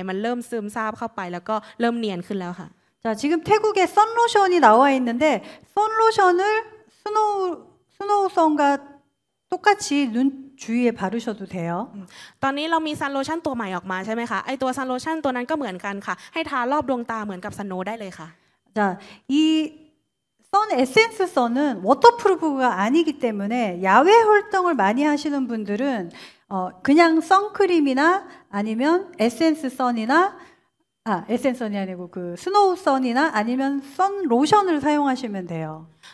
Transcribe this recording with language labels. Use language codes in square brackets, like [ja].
[th] เมื่อกี้เนี่ยตอนที่ทาแรกๆหน้ามันยังขาวดูวอกใช่ไหมคะแต่ว่าพอเวลาผ่านไปมันเริ่มซึมซาบเข้าไปแล้วก็เริ่มเนียนขึ้นแล้วค่ะ [ko] 자, 지금 태국에 선로션이 나와 있는데 선로션을 스노우선과 똑같이 눈 주위에 바르셔도 돼요. [th] ตอนนี้เรามีซันโลชั่นตัวใหม่ออกมาใช่ไหมคะไอ้ตัวซันโลชั่นตัวนั้นก็เหมือนกันค่ะให้ทารอบดวงตาเหมือนกับสโนว์ได้เลยค่ะ자, [ko] 이 선 에센스선은 워터프루프가 아니기 때문에 야외 활동을 많이 하시는 분들은 어 그냥 선크림이나 아니면 에센스선이나 아 에센스선이 아니고 그 스노우선이나 아니면 선로션을 사용하시면 돼요.